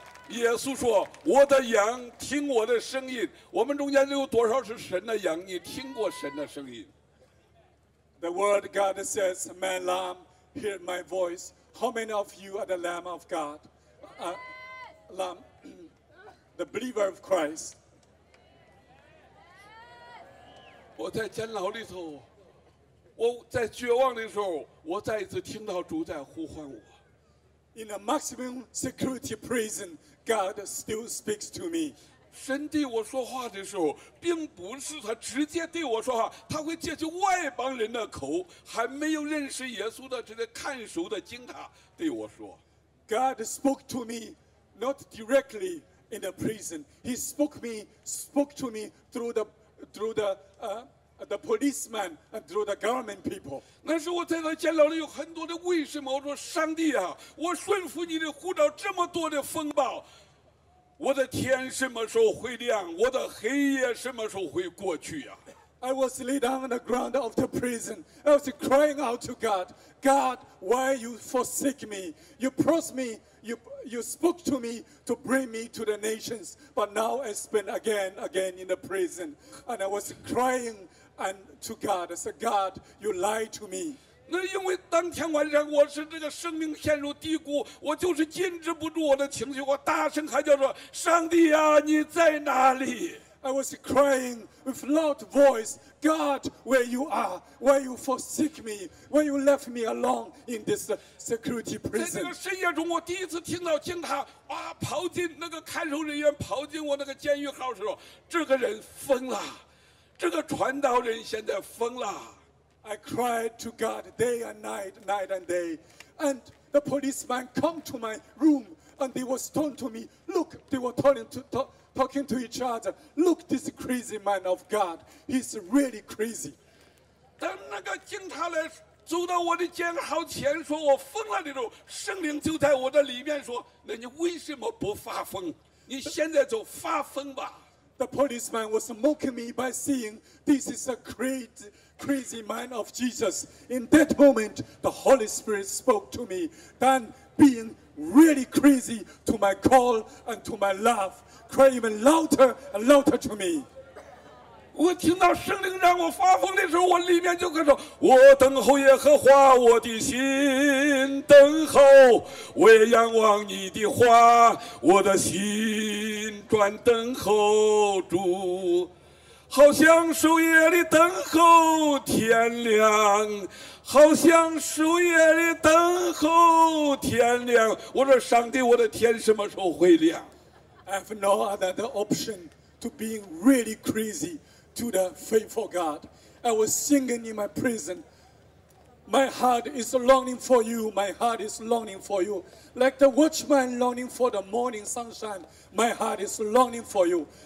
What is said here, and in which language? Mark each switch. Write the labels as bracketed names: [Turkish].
[Chinese] 耶稣说：“我的羊听我的声音。” 我们中间有多少是神的羊？你听过神的声音 [English] ？The word God says, "My lamb, hear my voice." How many of you are the lamb of God? Lamb. The believer of Christ. [Chinese] 我在监牢里头，我在绝望的时候，我再一次听到主在呼唤我。 [English] In a maximum security prison, God still speaks to me. [Chinese] 神对我说话的时候，并不是他直接对我说话，他会借着外邦人的口，还没有认识耶稣的这些看守的经塔对我说。 [English] God spoke to me, not directly. In the prison, he spoke to me through the policeman and through the government people. [Chinese] 那时我在那监牢里有很多的为什么？我说上帝啊，我顺服你的呼召，这么多的风暴，我的天什么时候会亮？我的黑夜什么时候会过去呀、啊、 [English] ？I was laid down on the ground of the prison. I was crying out to God, God, why you forsake me? You promised me. You spoke to me to bring me to the nations, but now I spend again in the prison, and I was crying and to God. I said, God, you lied to me. [Chinese] 那因为当天晚上我是这个生命陷入低谷，我就是禁止不住我的情绪，我大声喊叫说：“上帝啊，你在哪里？” [English] I was crying with loud voice, God, where you are? Why you forsake me? Why you left me alone in this security prison? [Chinese] 在那个深夜中，我第一次听到警察啊跑进那个看守人员跑进我那个监狱号的时候，这个人疯了，这个传道人现在疯了。 [English] I cried to God day and night, night and day, and the policeman come to my room and they were stoned to me. Look, they were talking to each other. Look, this crazy man of God. He's really crazy. [Chinese] 当那个警察来走到我的监牢前说我疯了的时候，圣灵就在我的里面说，那你为什么不发疯？你现在就发疯吧。 [English] The policeman was mocking me by saying, this is a crazy man of Jesus. In that moment, the Holy Spirit spoke to me. Then being really crazy to my call and to my love. Cry even louder and louder to me. [Chinese] 我听到圣灵让我发疯的时候，我里面就跟着我等候耶和华，我的心等候，我也仰望你的话，我的心专等候主，好像守夜里等候天亮，好像守夜里等候天亮。我说上帝，我的天什么时候会亮？ [English] I have no other option to being really crazy to the faithful God. I was singing in my prison. My heart is longing for you. My heart is longing for you. Like the watchman longing for the morning sunshine, my heart is longing for you.